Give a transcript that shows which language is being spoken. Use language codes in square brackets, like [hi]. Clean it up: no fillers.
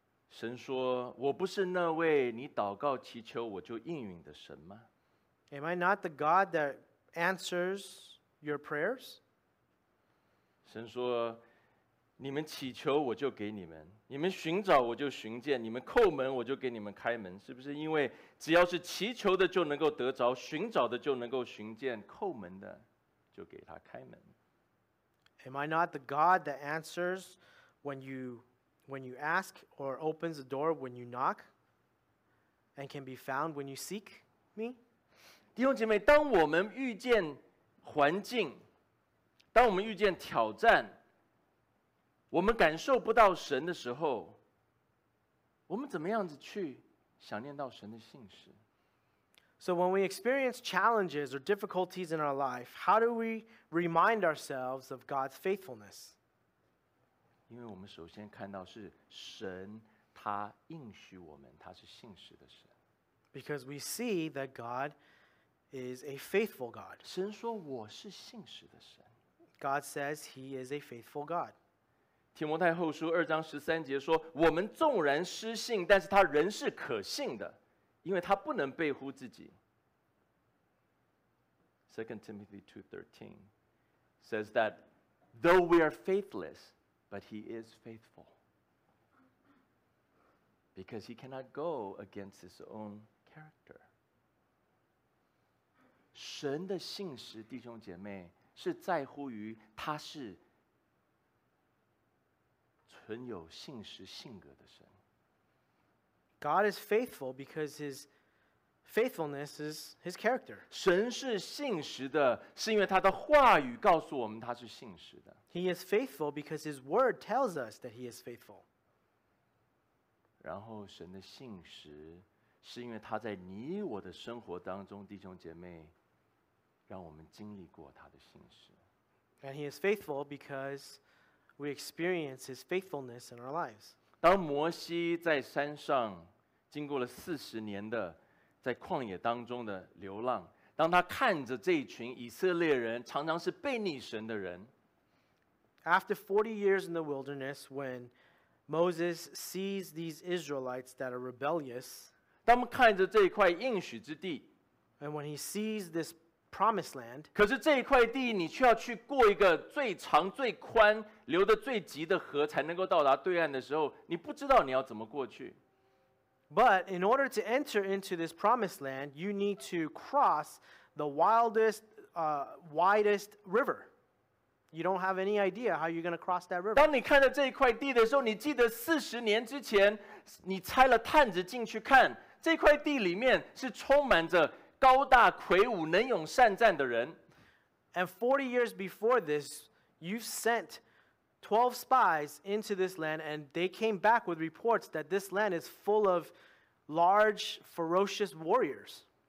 [zh] 神说我不是那位你祷告祈求我就应允的神吗? [en] Am I not the God that answers your prayers? [zh] 神说你们祈求我就给你们你们寻找我就寻见你们叩门我就给你们开门是不是因为只要是祈求的就能够得着寻找的就能够寻见叩门的就给他开门 [en] Am I not the God that answers when you ask or opens the door when you knock and can be found when you seek me? [zh] 弟兄姐妹，当我们遇见环境，当我们遇见挑战，我们感受不到神的时候，我们怎么样子去想念到神的信实？ [en] So when we experience challenges or difficulties in our life, how do we remind ourselves of God's faithfulness? [zh] 因为我们首先看到是神他应许我们他是信实的神 [en] Because we see that God is a faithful God. [zh] 神说我是信实的神 [en] God says he is a faithful God. [zh] 提摩太后书二章十三节说我们纵然失信但是他仍是可信的因为他不能背乎自己 [en] 2 Timothy 2:13 says that though we are faithless,But he is faithful because he cannot go against his own character. [zh] 神的信实，弟兄姐妹，是在乎于他是存有信实性格的神。 [en] God is faithful because his faithfulness is his character. [zh] 神是信实的，是因为他的话语告诉我们他是信实的。 [en] He is faithful because his word tells us that he is faithful. [zh] 然后神的信实是因为他在你我的生活当中弟兄姐妹让我们经历过他的信实。 [en] And he is faithful because we experience his faithfulness in our lives. [zh] 当摩西在山上经过了四十年的在旷野当中的流浪当他看着这群以色列人常常是背逆神的人 [en] After 40 years in the wilderness, when Moses sees these Israelites that are rebellious. [zh] 当看着这一块应许之地, [en] and when he sees this promised land, [zh] 可是这一块地你却要去过一个最长最宽, 流得最急的河才能够到达对岸的时候, 你不知道你要怎么过去。 [en] But in order to enter into this promised land, you need to cross the wildest, widest river. You don't have any idea how you're going to cross that river. [zh] 当你看到这一块地的时候, 你记得40年之前, 你拆了探子进去看, 这块地里面是充满着高大魁梧, 能勇善战的人。 [en] And 40 years before this, you've sent 12 spies into this land, and they came back with reports that this land is full of large, ferocious warriors.